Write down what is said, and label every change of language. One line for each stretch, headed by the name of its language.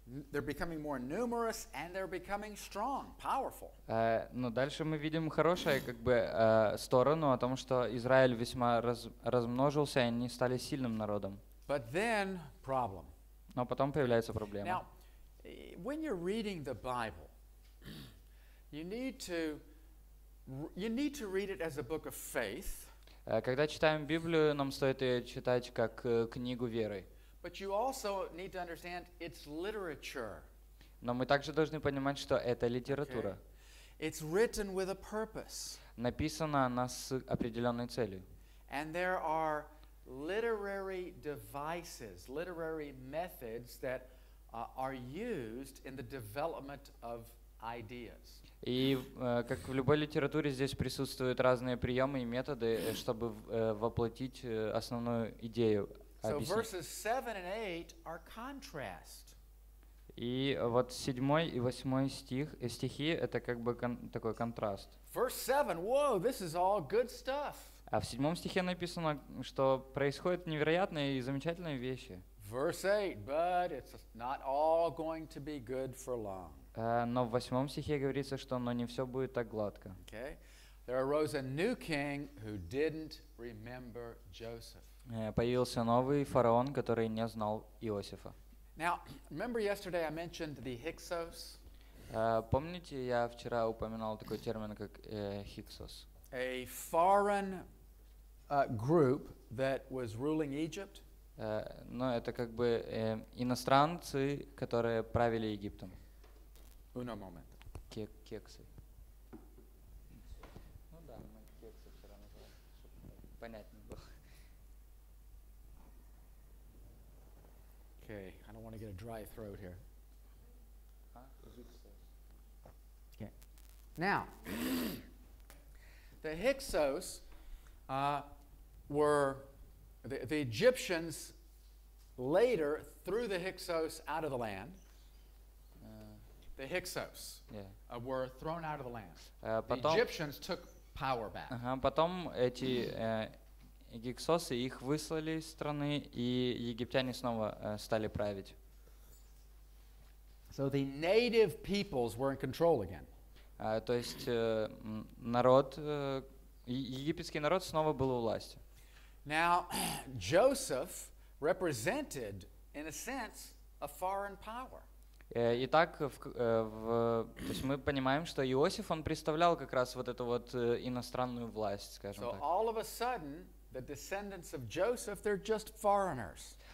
English: They're becoming more numerous and they're becoming strong, powerful.
Russian: Дальше мы видим хорошую сторону о том, что Израиль весьма размножился, и они стали сильным народом.
English: But then problem.
Russian: Но потом появляется проблема.
English: Now, when you're reading the Bible, you need to read it as a book of faith.
Russian: Когда читаем Библию, нам стоит ее читать как книгу веры.
English: But you also need to understand it's literature.
Russian: Но мы также должны понимать, что это литература.
English: It's written with a purpose.
Russian: Написано она с определенной целью.
English: And there are literary devices, literary methods that are used in the development of ideas.
Russian: И как в любой литературе здесь присутствуют разные приемы и методы, чтобы воплотить основную идею.
English: So verses 7 and 8 are contrast.
Russian: И вот 7 и 8 стихи это как бы такой контраст.
English: Verse 7, whoa, this is all good stuff.
Russian: А в 7 стихе написано, что происходят невероятные и замечательные вещи.
English: Verse 8, but it's not all going to be good for long.
Russian: Но в 8 стихе говорится, что но не все будет так гладко.
English: Okay. There arose a new king who didn't remember Joseph.
Russian: Появился новый фараон, который не знал Иосифа.
English: Now, remember yesterday I mentioned the Hyksos?
Russian: Помните, я вчера упоминал такой термин, как Hyksos?
English: A foreign group that was ruling Egypt.
Russian: Но это как бы иностранцы, которые правили Египтом.
English: Uno moment.
Russian: Кексы. Ну да, мы кексы вчера называли, чтобы понятнее было.
English: Okay, I don't want to get a dry throat here. Okay. Now, the Hyksos were the Egyptians later threw the Hyksos out of the land. The Hyksos were thrown out of the land.
Russian: Потом,
English: the Egyptians took power back.
Russian: Потом эти Гиксосы их выслали из страны, и египтяне снова стали править.
English: So the native peoples were in control again.
Russian: То есть народ, египетский народ снова был у власти.
English: Now, Joseph represented, in a sense, a foreign power.
Russian: Итак, то есть мы понимаем, что Иосиф, он представлял как раз вот эту вот иностранную власть, скажем
English: so
Russian: так.
English: So all of a sudden, the descendants of Joseph, they're just foreigners.